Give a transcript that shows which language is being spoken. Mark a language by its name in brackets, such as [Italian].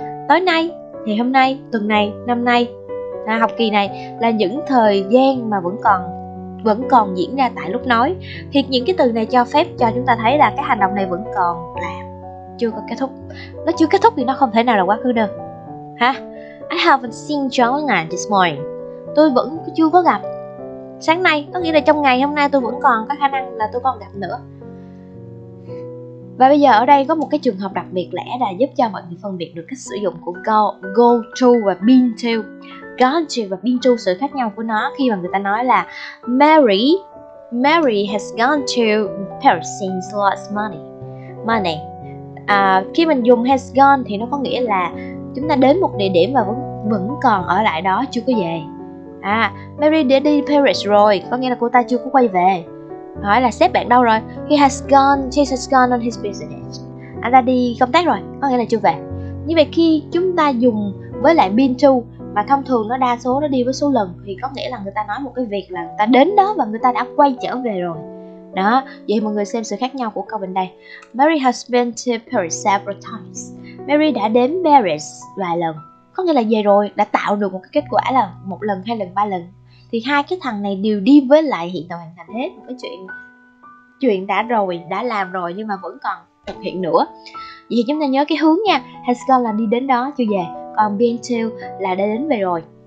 [Vietnamese] Tối nay, ngày hôm nay, tuần này, năm nay, học kỳ này là những thời gian mà vẫn còn diễn ra tại lúc nói. Thì những cái từ này cho phép cho chúng ta thấy là cái hành động này vẫn còn là chưa có kết thúc. Nó chưa kết thúc thì nó không thể nào là quá khứ được ha. [English] I haven't seen John this morning. [Vietnamese] Tôi vẫn chưa có gặp sáng nay, có nghĩa là trong ngày hôm nay tôi vẫn còn có khả năng là tôi còn gặp nữa. Và bây giờ ở đây có một cái trường hợp đặc biệt lẽ là giúp cho mọi người phân biệt được cách sử dụng của go to và been to. Gone to và been to, sự khác nhau của nó khi mà người ta nói là [English] Mary has gone to Paris since lost money. [Vietnamese] Khi mình dùng has gone thì nó có nghĩa là chúng ta đến một địa điểm và vẫn còn ở lại đó, chưa có về. À, Mary đã đi Paris rồi, có nghĩa là cô ta chưa có quay về. Hỏi là sếp bạn đâu rồi? [English] He has gone on his business. [Vietnamese] Anh ta đi công tác rồi, có nghĩa là chưa về. Như vậy khi chúng ta dùng với lại been to, mà thông thường nó đa số nó đi với số lần, thì có nghĩa là người ta nói một cái việc là người ta đến đó và người ta đã quay trở về rồi. Đó, vậy mọi người xem sự khác nhau của câu bên đây. [English] Mary has been to Paris several times. [Vietnamese] Mary đã đến Paris vài lần, có nghĩa là về rồi, đã tạo được một cái kết quả là một lần, hai lần, ba lần. Thì hai cái thằng này đều đi với lại hiện tại hoàn thành hết, một cái chuyện đã rồi, đã làm rồi nhưng mà vẫn còn thực hiện nữa. Vậy thì chúng ta nhớ cái hướng nha, has gone là đi đến đó chưa về, còn been to là đã đến về rồi.